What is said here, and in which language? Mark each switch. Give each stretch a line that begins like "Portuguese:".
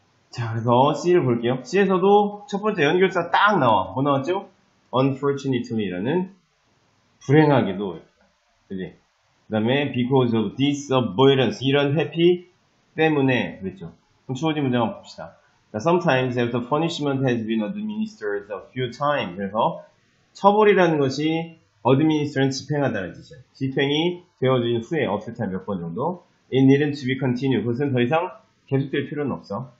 Korean: 자, 그래서 C를 볼게요. C에서도 첫 번째 연결사 딱 나와. 뭐 나왔죠? Unfortunately라는 불행하게도, 그지? 그 다음에
English: because of this avoidance,
Korean: 이런 회피 때문에, 그랬죠? 그럼 주어진 문장 한번 봅시다.
English: Sometimes after punishment has been administered a few times.
Korean: 그래서 처벌이라는 것이 administer는 집행하다는 뜻이에요. 집행이 되어진 후에 어쨌든 몇번 정도.
English: It needn't to be continued.
Korean: 그것은 더 이상 계속될 필요는 없어.